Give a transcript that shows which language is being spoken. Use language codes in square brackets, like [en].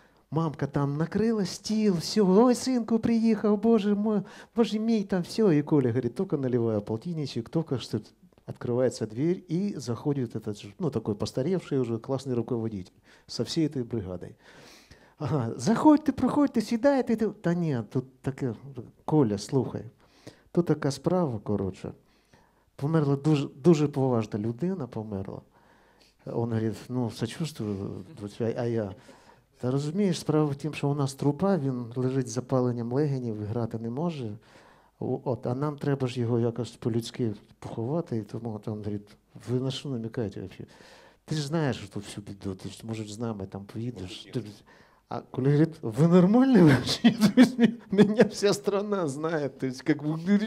[ru] Мамка там накрыла стил, все, ой, сынку приехал, боже мой, боже мой, там все. И Коля говорит: только наливаю полтинничек, только что открывается дверь, и заходит этот, ну, такой постаревший уже классный руководитель со всей этой бригадой. Ага, заходит, ты проходит, ты седает, и ты... Да нет, тут так, [uk] Коля, слухай, тут така справа, короче, померла дуже, дуже поважна людина, померла. [ru] Он говорит: ну, сочувствую, а я... [uk] Та розумієш, справа в тім, що у нас трупа, він лежить з запаленням легенів, грати не може. От, а нам треба ж його якось по-людськи поховати. І тому там говорить: ви на що намікаєте взагалі? Ти ж знаєш тут всю біду, ти ж, може, з нами там поїдеш. [ru] А Коля говорит: вы нормальный вообще? Меня вся страна знает. То есть, как бы...